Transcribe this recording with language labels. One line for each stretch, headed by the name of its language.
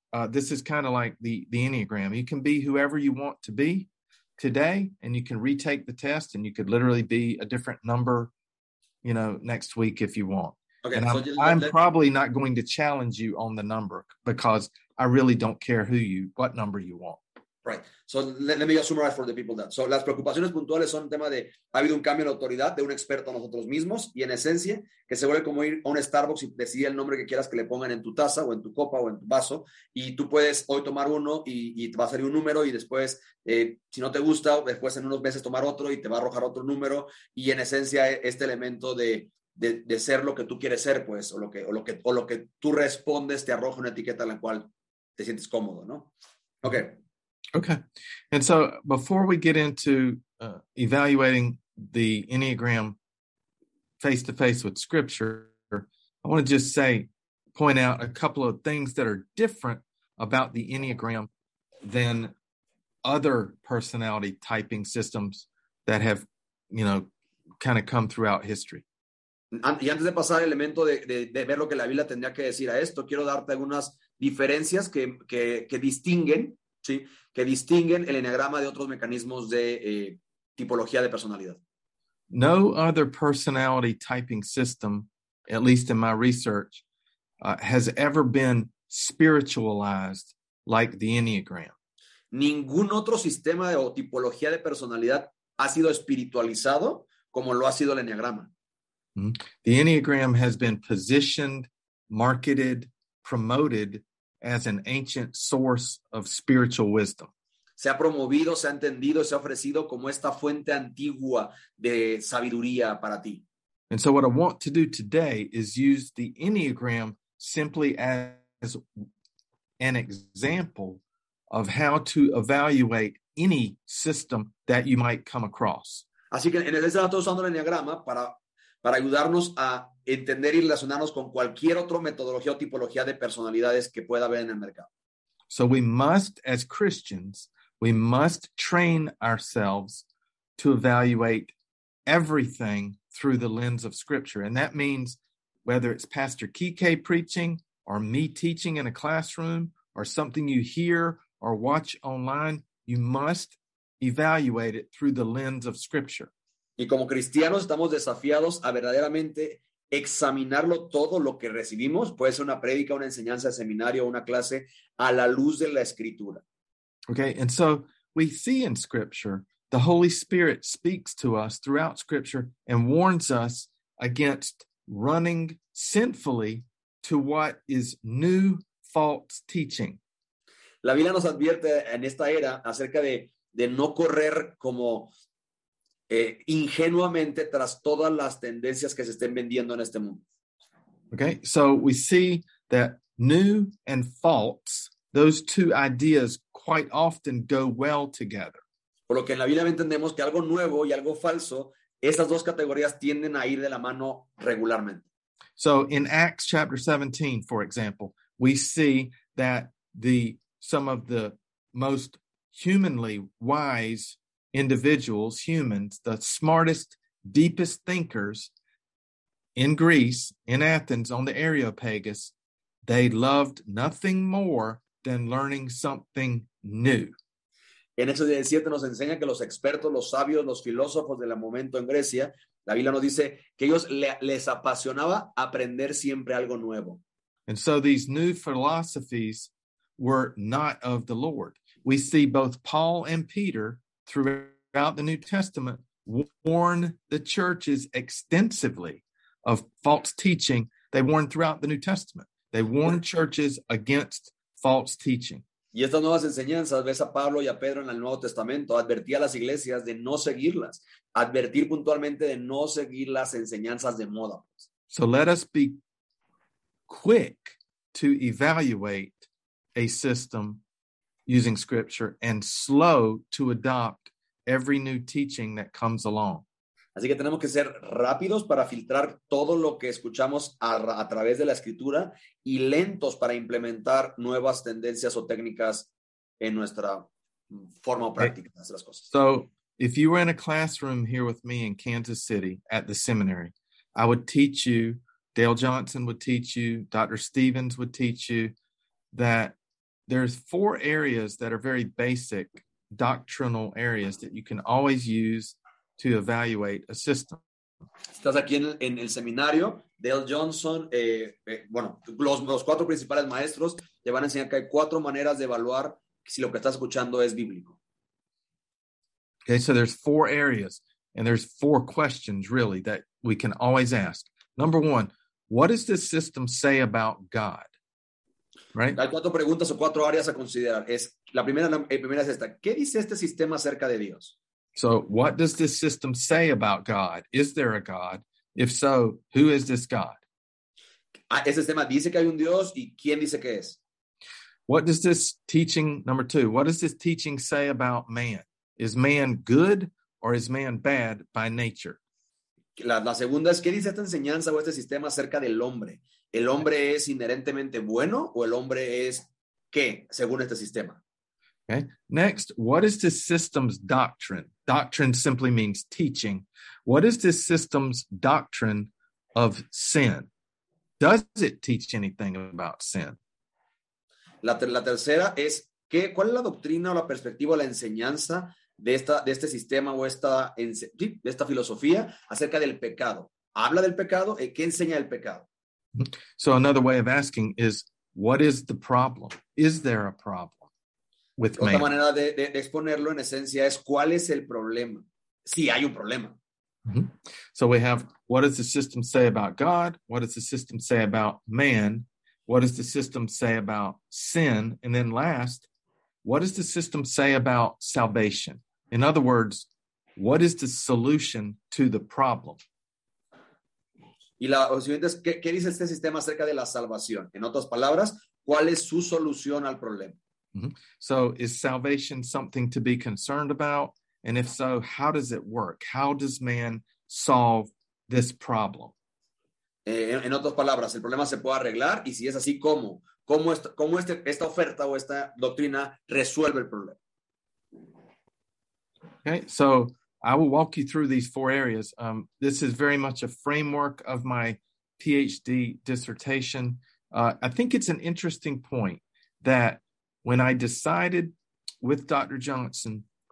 English: This is kind of like the Enneagram. You can be whoever you want to be today, and you can retake the test, and you could literally be a different number, you know, next week if you want. Okay, and I'm probably not going to challenge you on the number because I really don't care what number you want. Right. So let me just summarize for the people that.
Spanish: So las preocupaciones puntuales son tema de ha habido un cambio en la autoridad de un experto a nosotros mismos, y en esencia que se vuelve como ir a un Starbucks y decidir el nombre que quieras que le pongan en tu taza o en tu copa o en tu vaso, y tú puedes hoy tomar uno y te va a salir un número, y después si no te gusta después en unos meses tomar otro y te va a arrojar otro número, y en esencia este elemento de ser lo que tú quieres ser, pues, o lo que tú respondes te arroja una etiqueta en la cual te sientes cómodo, ¿no?
English: Okay. Okay. And so before we get into evaluating the Enneagram face-to-face with scripture, I want to just point out a couple of things that are different about the Enneagram than other personality typing systems that have, you know, kind of come throughout history.
Spanish: Y antes de pasar al elemento de ver lo que la Biblia tendría que decir a esto, quiero darte algunas diferencias que distinguen, sí, que distinguen el eneagrama de otros mecanismos de tipología de personalidad.
English: No other personality typing system, at least in my research, has ever been spiritualized like the Enneagram.
Spanish: Ningún otro sistema o tipología de personalidad ha sido espiritualizado como lo ha sido el eneagrama.
English: The Enneagram has been positioned, marketed, promoted as an ancient source of spiritual wisdom.
Spanish: Se ha promovido, se ha entendido, se ha ofrecido como esta fuente antigua de sabiduría para ti.
English: And so what I want to do today is use the Enneagram simply as an example of how to evaluate any system that you might come across.
Spanish: Así que en el caso estoy usando el Enneagrama para ayudarnos a entender y relacionarnos con cualquier otra metodología o tipología de personalidades que pueda haber en el mercado.
English: So we must, as Christians, we must train ourselves to evaluate everything through the lens of Scripture. And that means whether it's Pastor Kike preaching or me teaching in a classroom or something you hear or watch online, you must evaluate it through the lens of Scripture.
Spanish: Y como cristianos estamos desafiados a verdaderamente examinarlo todo lo que recibimos, puede ser una prédica, una enseñanza, un seminario, una clase, a la luz de la Escritura.
English: Okay, and so we see in Scripture, the Holy Spirit speaks to us throughout Scripture and warns us against running sinfully to what is new false teaching.
Spanish: La Biblia nos advierte en esta era acerca de no correr como ingenuamente tras todas las tendencias que se estén vendiendo en este mundo.
English: Okay, so we see that new and false, those two ideas quite often go well together.
Spanish: Por lo que en la Biblia entendemos que algo nuevo y algo falso, esas dos categorías tienden a ir de la mano regularmente.
English: So in Acts chapter 17, for example, we see that some of the most humanly wise individuals, humans, the smartest, deepest thinkers in Greece, in Athens, on the Areopagus, they loved nothing more than learning something new.
Spanish: En Hechos 17 nos enseña que los expertos, los sabios, los filósofos del momento en Grecia, la Biblia nos dice que ellos les apasionaba aprender siempre algo nuevo.
English: And so these new philosophies were not of the Lord. We see both Paul and Peter throughout the New Testament warn the churches extensively of false teaching. They warn throughout the New Testament. They warn churches against false teaching.
Spanish: Y estas nuevas enseñanzas, ves a Pablo y a Pedro en el Nuevo Testamento, advertía a las iglesias de no seguirlas, advertir puntualmente de no seguir las enseñanzas de moda.
English: So let us be quick to evaluate a system using Scripture and slow to adopt every new teaching that comes along.
Spanish: Así que tenemos que ser rápidos para filtrar todo lo que escuchamos a través de la Escritura y lentos para implementar nuevas tendencias o técnicas en nuestra forma o práctica de hacer las cosas.
English: So, if you were in a classroom here with me in Kansas City at the seminary, I would teach you, Dale Johnson would teach you, Dr. Stevens would teach you, that there's four areas that are very basic doctrinal areas that you can always use to evaluate a system.
Spanish: Estás aquí en el seminario, Dale Johnson, los cuatro principales maestros te van a enseñar que hay cuatro maneras de evaluar si lo que estás escuchando es bíblico.
English: Okay, so there's four areas and there's four questions really that we can always ask. Number one, what does this system say about God? Right?
Spanish: Hay cuatro preguntas o cuatro áreas a considerar. La primera es esta. ¿Qué dice este sistema acerca de Dios?
English: So what does this system say about God? Is there a God? If so, who is this God?
Spanish: Ese sistema dice que hay un Dios, ¿y quién dice que es?
English: What does this teaching, number two, what does this teaching say about man? Is man good or is man bad by nature?
Spanish: La segunda es, ¿qué dice esta enseñanza o este sistema acerca del hombre? ¿El hombre es inherentemente bueno o el hombre es qué, según este sistema?
English: Okay. Next, what is this system's doctrine? Doctrine simply means teaching. What is this system's doctrine of sin? Does it teach anything about sin?
Spanish: La tercera es, ¿cuál es la doctrina o la perspectiva o la enseñanza de este sistema o de esta filosofía acerca del pecado? ¿Habla del pecado? ¿Qué enseña del pecado?
English: So another way of asking is, what is the problem? Is there a problem?
Spanish: Otra manera de exponerlo en esencia es, ¿cuál es el problema? Sí, hay un problema. Mm-hmm.
English: So we have, what does the system say about God? What does the system say about man? What does the system say about sin? And then last, what does the system say about salvation? In other words, what is the solution to the problem?
Spanish: Y la siguiente es, ¿qué dice este sistema acerca de la salvación? En otras palabras, ¿cuál es su solución al problema? Mm-hmm.
English: So is salvation something to be concerned about? And if so, how does it work? How does man solve this problem?
Spanish: En otras palabras, el problema se puede arreglar. Y si es así, ¿cómo? ¿Cómo esta oferta o esta doctrina resuelve el problema?
English: Okay, so I will walk you through these four areas. This is very much a framework of my PhD dissertation. I think it's an interesting point that when I decided with Dr. Johnson